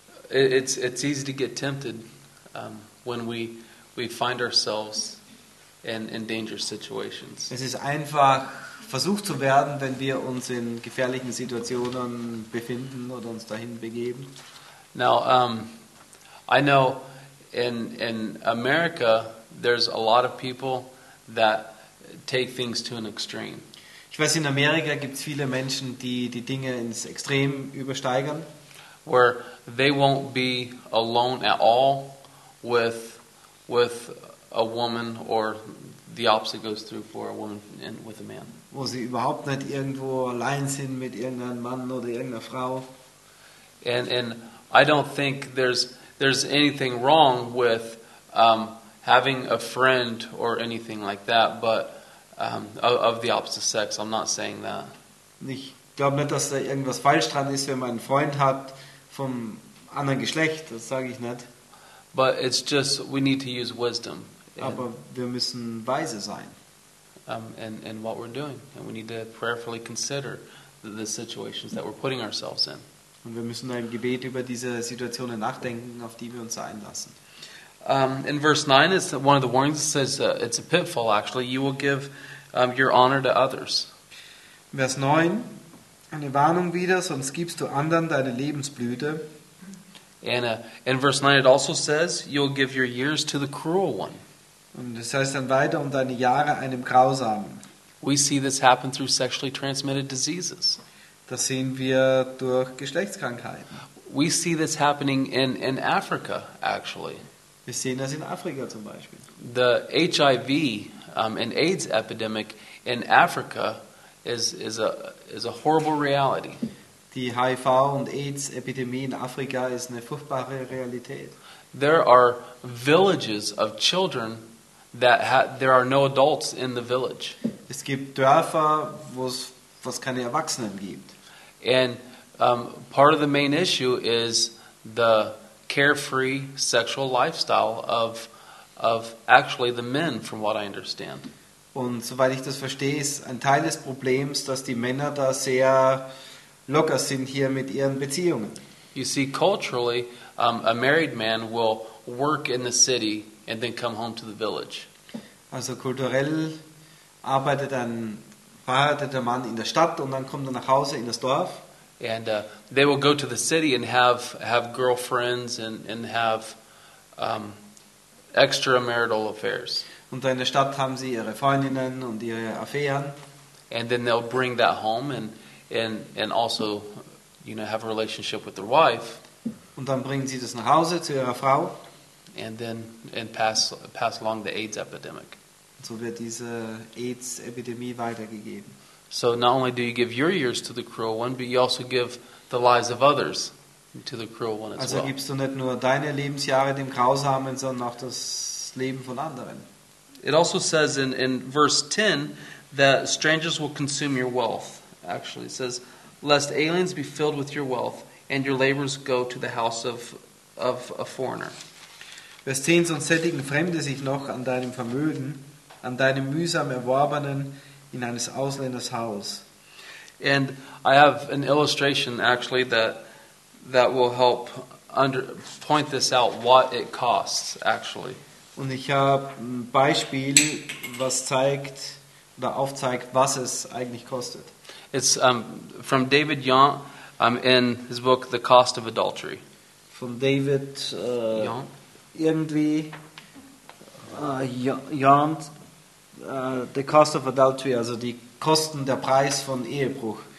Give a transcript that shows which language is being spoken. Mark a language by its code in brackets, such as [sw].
[en] It's easy to get tempted when we find ourselves in dangerous situations. [de] Es ist einfach versucht zu werden, wenn wir uns in gefährlichen Situationen befinden oder uns dahin begeben. [en] Now I know In America, there's a lot of people that take things to an extreme. [de] Ich weiß, in Amerika gibt's viele Menschen, die Dinge ins Extrem übersteigern. [en] Where they won't be alone at all with a woman, or the opposite goes through for a woman and with a man. [de] Wo sie überhaupt nicht irgendwo allein sind mit irgendeinem Mann oder irgendeiner Frau. [en] And I don't think there's anything wrong with having a friend or anything like that, but of the opposite sex, I'm not saying that. [de] Ich glaube nicht, dass da irgendwas falsch dran ist, wenn man einen Freund hat vom anderen Geschlecht, das sage ich nicht. [en] But it's just, we need to use wisdom. [de] Aber wir müssen weise sein. [en] and what we're doing. And we need to prayerfully consider the situations that we're putting ourselves in. [de] Und wir müssen im Gebet über diese Situationen nachdenken, auf die wir uns einlassen. [en] In verse 9, is one of the warnings. It says it's a pitfall, actually. You will give your honor to others. [de] Vers 9, eine Warnung wieder, sonst gibst du anderen deine Lebensblüte. [en] And in verse 9, it also says, you'll give your years to the cruel one. [de] Und es heißt dann weiter, und deine Jahre einem Grausamen. [en] We see this happen through sexually transmitted diseases. [de] Das sehen wir durch Geschlechtskrankheiten. [en] We see this happening in Africa, actually. [de] Wir sehen das in Afrika zum Beispiel. [en] The HIV and AIDS epidemic in Africa is a horrible reality. [de] Die HIV und AIDS Epidemie in Afrika ist eine furchtbare Realität. [en] There are villages of children that there are no adults in the village. [de] Es gibt Dörfer, wo es keine Erwachsenen gibt. [en] And part of the main issue is the carefree sexual lifestyle of actually the men, from what I understand. [de] Und soweit ich das verstehe, ist ein Teil des Problems, dass die Männer da sehr locker sind hier mit ihren Beziehungen. [en] You see, culturally, a married man will work in the city and then come home to the village. [de] Also kulturell arbeitet ein verheirateter Mann in der Stadt und dann kommt er nach Hause in das Dorf. [en] And they will go to the city and have girlfriends and have extramarital affairs. [de] Und dann in der Stadt haben sie ihre Freundinnen und ihre Affären. [en] And then they'll bring that home and also, you know, have a relationship with their wife. [de] Und dann bringen sie das nach Hause zu ihrer Frau. [en] And then and pass along the AIDS epidemic. [de] So wird diese AIDS Epidemie weitergegeben. [en] So not only do you give your years to the cruel one, but you also give the lives of others to the cruel one as [de] also [en] well. [de] Also gibst du nicht nur deine Lebensjahre dem Grausamen, sondern auch das Leben von anderen. [en] It also says in verse 10 that strangers will consume your wealth. Actually, it says, lest aliens be filled with your wealth and your labors go to the house of a foreigner. [de] Vers 10, sonst sättigen Fremde sich noch an deinem Vermögen, an deinem mühsam erworbenen, in eines Ausländers Haus. [en] And I have an illustration, actually, that will help point this out, what it costs, actually. [de] Und ich habe ein Beispiel, was zeigt, oder aufzeigt, was es eigentlich kostet. [en] It's from David Yon, in his book, The Cost of Adultery. [de] Von David Yon. Irgendwie yawned, the cost of adultery, also die Kosten, der Preis von Ehebruch.